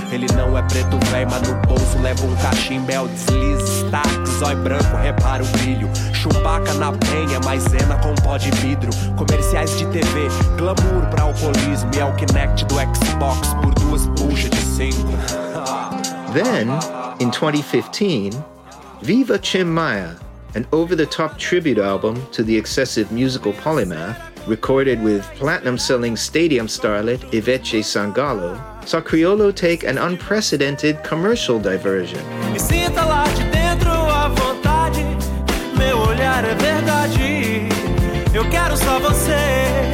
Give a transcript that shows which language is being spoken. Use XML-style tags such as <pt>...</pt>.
<pt>Ele não é preto velho, mas no bolso leva um cachimbel, deslize, estaca, zói branco, repara o brilho. Chewbacca na penha, maisena com pó de vidro. Comerciais de TV, glamour pra alcoolismo, e é o Kinect do Xbox por duas buchas de cinco.</pt> <en>Then, in 2015, Viva Chim Maya, an over-the-top tribute album to the excessive musical polymath, recorded with platinum-selling stadium starlet Ivete Sangalo, saw Criollo take an unprecedented commercial diversion.</en> <pt>Me sinta lá de dentro à vontade, meu olhar é verdade, eu quero só você.</pt>